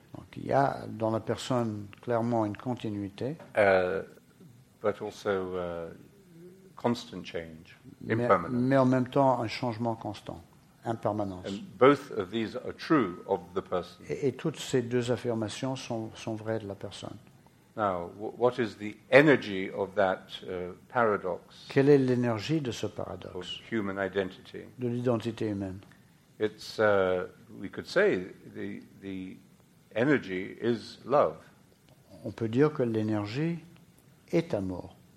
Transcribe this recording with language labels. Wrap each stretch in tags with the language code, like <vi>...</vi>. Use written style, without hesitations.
<fr>Donc, il y a dans la personne clairement une continuité,</fr> <en>but also constant change,</en> <fr>mais en même temps un changement constant, impermanence.</fr> <en>And both of these are true of the person.</en> <fr>Et toutes ces deux affirmations sont vraies de la personne.</fr> <en>Now, what is the energy of that paradox?</en> <fr>Quelle est l'énergie de ce paradoxe?</fr> <en>Of human identity.</en> <fr>De l'identité humaine.</fr> <en>It's we could say the energy is love.</en> <fr>On peut dire que l'énergie est amour.</fr>